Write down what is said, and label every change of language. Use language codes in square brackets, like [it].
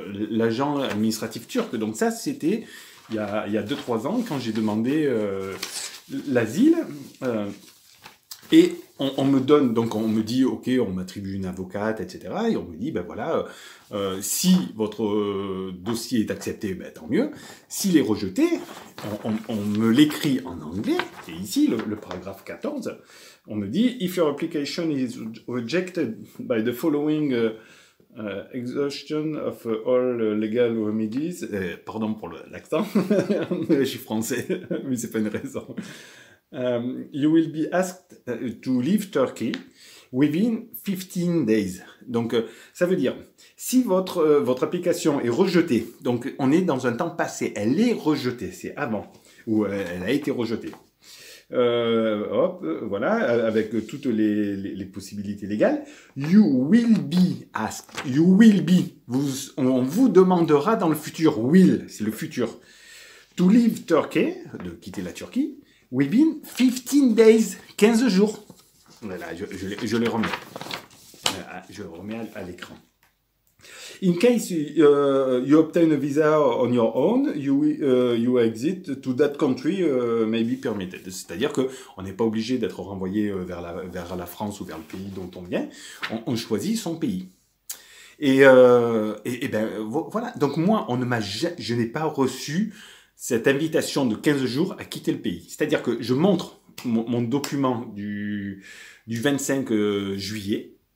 [fr] l'agent administratif turc, donc ça, c'était Il y a 2-3 ans, quand j'ai demandé l'asile, et on me donne, donc on me dit, ok, on m'attribue une avocate, etc., et on me dit, ben voilà, si votre dossier est accepté, ben tant mieux, s'il est rejeté, on me l'écrit en anglais, et ici, le paragraphe 14, on me dit, [en] if your application is rejected by the following... exhaustion of all legal remedies. [fr] Pardon pour l'accent. Je suis français, mais c'est pas une raison. [en] You will be asked to leave Turkey within 15 days. [fr] Donc, ça veut dire, si votre application est rejetée, donc on est dans un temps passé, elle est rejetée, c'est avant, ou elle a été rejetée. Hop, voilà, avec toutes les possibilités légales. [en] You will be asked. You will be. [fr] On vous demandera dans le futur. Will, c'est le futur. [en] To leave Turkey, [fr] de quitter la Turquie, [en] within 15 days, [fr] 15 jours. Voilà, je les remets. Je les remets à l'écran. [en] In case you obtain a visa on your own, you exit to that country may be permitted. [fr] C'est-à-dire que on n'est pas obligé d'être renvoyé vers la France ou vers le pays dont on vient. On choisit son pays. Voilà. Donc moi, je n'ai pas reçu cette invitation de 15 jours à quitter le pays. C'est-à-dire que je montre mon document du 25 juillet.